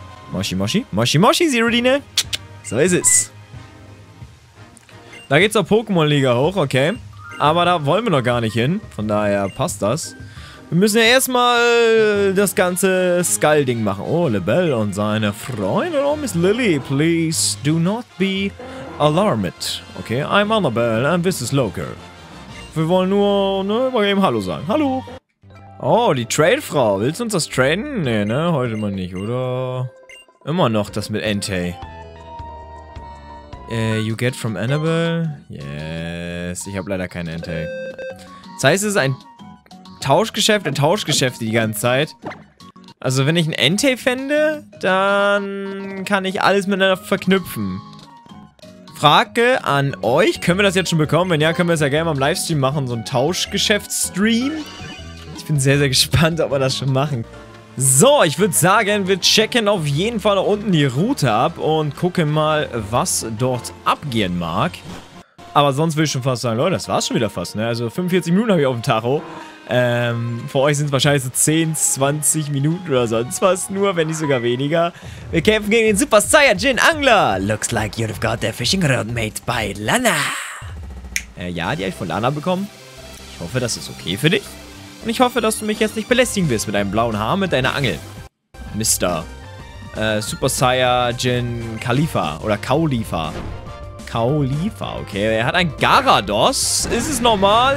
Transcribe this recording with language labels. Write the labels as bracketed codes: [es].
[ja] Moshi Moshi, Moshi Moshi, [de] Zerudine, so ist es. Da geht's auch Pokémon-Liga hoch, okay. Aber da wollen wir noch gar nicht hin, von daher passt das. Wir müssen ja erstmal das ganze Skull-Ding machen. Oh, Lebel und seine Freundin. [en] Oh, Miss Lily, please do not be alarmed. Okay, I'm Annabelle and this is Loker. [de] Wir wollen nur, mal eben Hallo sagen. Hallo. Oh, die Trade-Frau. Willst du uns das traden? Nee, ne? Heute mal nicht, oder? Immer noch das mit Entei. [en] You get from Annabelle? Yes. [de] Ich habe leider keine Entei. Das heißt, es ist ein Tauschgeschäft, ein Tauschgeschäft die ganze Zeit. Also wenn ich ein Entei fände, dann kann ich alles miteinander verknüpfen. Frage an euch, können wir das jetzt schon bekommen? Wenn ja, können wir es ja gerne mal im Livestream machen, so ein Tauschgeschäftsstream. Ich bin sehr, sehr gespannt, ob wir das schon machen. So, ich würde sagen, wir checken auf jeden Fall unten die Route ab und gucken mal, was dort abgehen mag. Aber sonst würde ich schon fast sagen, Leute, das war's schon wieder fast, ne? Also 45 Minuten habe ich auf dem Tacho. Für euch sind es wahrscheinlich so 10, 20 Minuten oder sonst was nur, wenn nicht sogar weniger. Wir kämpfen gegen den Super Saiyajin Angler. [en] Looks like you've got a fishing rod made by Lana. [de] Ja, die habe ich von Lana bekommen. Ich hoffe, das ist okay für dich. Und ich hoffe, dass du mich jetzt nicht belästigen wirst mit deinem blauen Haar mit deiner Angel. Mister. Super Saiyajin Khalifa oder Kaulifa. Kaulifa, okay. Er hat ein Garados. Ist es normal?